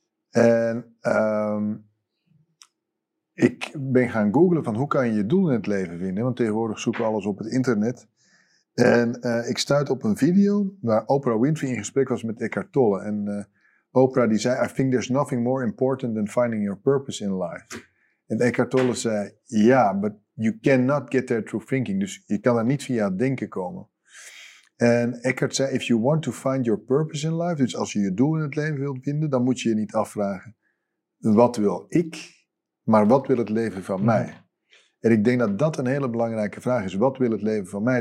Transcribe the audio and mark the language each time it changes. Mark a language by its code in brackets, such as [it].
[nl] En ik ben gaan googlen van hoe kan je je doel in het leven vinden, want tegenwoordig zoeken we alles op het internet. En ik stuitte op een video waar Oprah Winfrey in gesprek was met Eckhart Tolle. En Oprah die zei, [en] I think there's nothing more important than finding your purpose in life. [nl] En Eckhart Tolle zei, [en] yeah, but you cannot get there through thinking. [nl] Dus je kan er niet via het denken komen. En Eckhart zei, [en] if you want to find your purpose in life, [nl] dus als je je doel in het leven wilt vinden, dan moet je je niet afvragen, wat wil ik, maar wat wil het leven van mij? En ik denk dat dat een hele belangrijke vraag is. Wat wil het leven van mij?